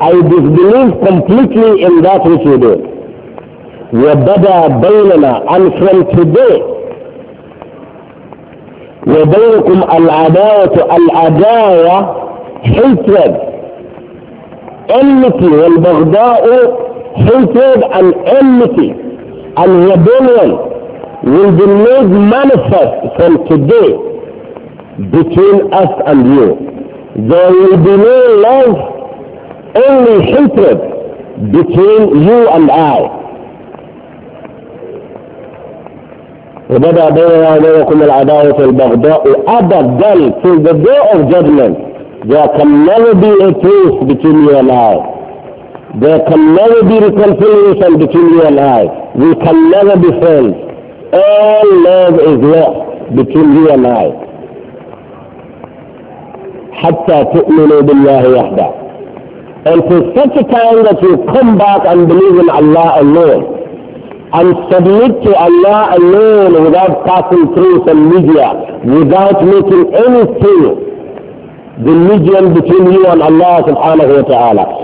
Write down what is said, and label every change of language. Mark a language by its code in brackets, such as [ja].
[en] I disbelieve completely in that which you do. [ar] وَبَدَى بَيْنَنَا [en] And from today, [ar] وَبَيْنَكُمْ الْعَدَاوَةُ الْعَدَاوَةُ [en] Hatred, enmity, [ar] وَالْبَغْدَاءُ [en] Hatred and enmity and rebellion will be made manifest from today between us and you. There will be no love, only hatred between you and I. [ar] وَبَدَى بَيْنَنَا وَبَيْنَكُمُ الْعَدَاوَةُ وَالْبَغْضَاءُ أَبَدًا [en] till the day of judgment. There can never be a truce between you and I. There can never be reconciliation between you and I. We can never be friends. All love is lost between you and I. [ar] حَتَّى تُؤْمِنُوا بِاللَّهِ وَحْدًا [en] Until such a time that you come back and believe in Allah alone, and submit to Allah alone without passing through some media, without making any sale, the medium between you and Allah subhanahu wa ta'ala.